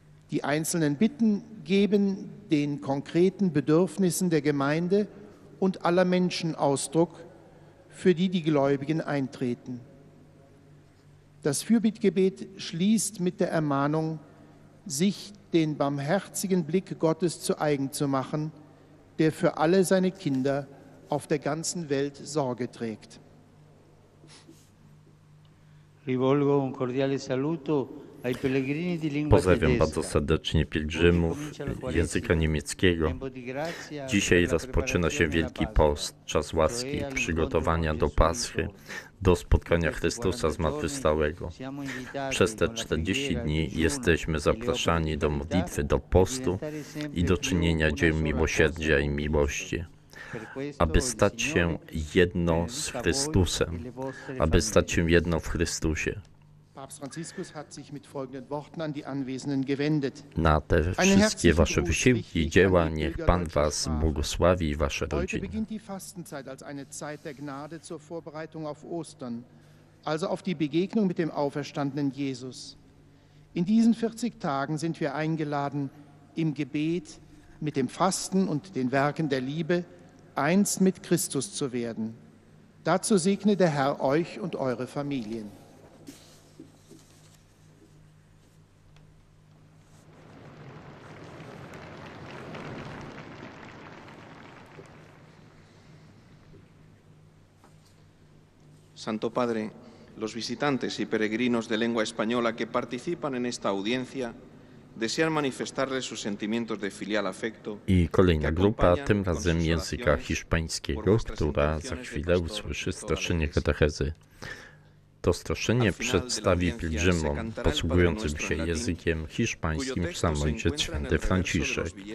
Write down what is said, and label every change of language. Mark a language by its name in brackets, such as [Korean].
[German] Die einzelnen Bitten geben den konkreten Bedürfnissen der Gemeinde und aller Menschen Ausdruck, für die die Gläubigen eintreten. Das Fürbittgebet schließt mit der Ermahnung, sich den barmherzigen Blick Gottes zu eigen zu machen, der für alle seine Kinder auf der ganzen Welt Sorge trägt. [Italian] Rivolgo un cordiale saluto ai pellegrini di lingua tedesca. [Polish] Pozdrawiam bardzo serdecznie pielgrzymów języka niemieckiego. Dzisiaj rozpoczyna się Wielki Post, czas łaski, przygotowania do Paschy, do spotkania Chrystusa Zmartwychwstałego. Przez te 40 dni jesteśmy zapraszani do modlitwy, do postu i do czynienia dzieł miłosierdzia i miłości. Aby stać się jedno z Chrystusem, aby stać się jedno w Chrystusie. [German] Papst Franziskus hat sich mit folgenden Worten an die Anwesenden gewendet. [Polish] Na te wszystkie wasze wysiłki i dzieła niech Pan was błogosławi i wasze rodziny. [German] Heute beginnt die Fastenzeit als eine Zeit der Gnade zur Vorbereitung auf Ostern, also auf die Begegnung mit dem auferstandenen Jesus. In diesen 40 Tagen sind wir eingeladen, im Gebet mit dem Fasten und den Werken der Liebe eins mit Christus zu werden. Dazu segne der Herr euch und eure Familien. [Spanish] Santo Padre, los visitantes y peregrinos de lengua española que participan en esta audiencia desean manifestarles sus sentimientos de filial afecto. [Polish] I kolejna grupa, tym razem języka hiszpańskiego, która za chwilę usłyszy straszenie katechezy. To straszenie przedstawi pielgrzymom posługującym się językiem hiszpańskim sam Ojciec Święty Franciszek.